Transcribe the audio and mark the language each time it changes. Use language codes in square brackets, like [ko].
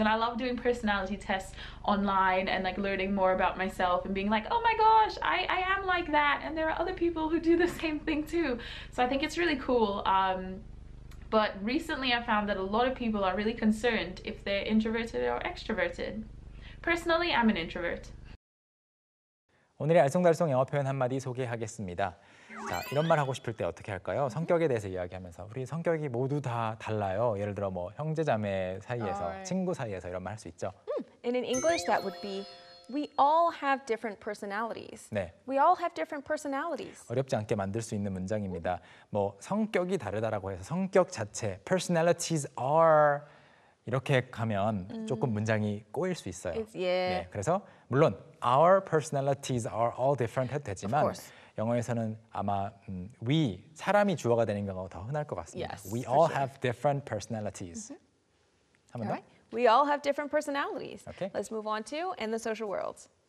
[en] And I love doing personality tests online and like learning more about myself and being like, oh my gosh, I am like that. And there are other people who do the same thing too. So I think it's really cool. But recently I found that a lot of people are really concerned if they're introverted or extroverted. Personally, I'm an introvert. [ko] 오늘의 알쏭달쏭 영어 표현 한마디 소개하겠습니다. 자, 이런 말 하고 싶을 때 어떻게 할까요? 성격에 대해서 이야기하면서 우리 성격이 모두 다 달라요. 예를 들어 뭐 형제자매 사이에서, right. 친구 사이에서 이런 말 할 수 있죠. [en] And in English that would be We all have different personalities. [ko] 네. [en] We all have different personalities. [ko] 어렵지 않게 만들 수 있는 문장입니다. 뭐 성격이 다르다라고 해서 성격 자체 [en] personalities are [ko] 이렇게 가면 조금 문장이 꼬일 수 있어요. [en] It's, yeah. [ko] 네. 그래서 물론 [en] our personalities are all different [ko] 해도 되지만 영어에서는 아마 we 사람이 주어가 되는 경우가 더 흔할 것 같습니다. [en] Yes, we all sure. have different personalities. Mm-hmm. [ko] 한번 더. [en] We all have different personalities. Okay. Let's move on to In the Social World.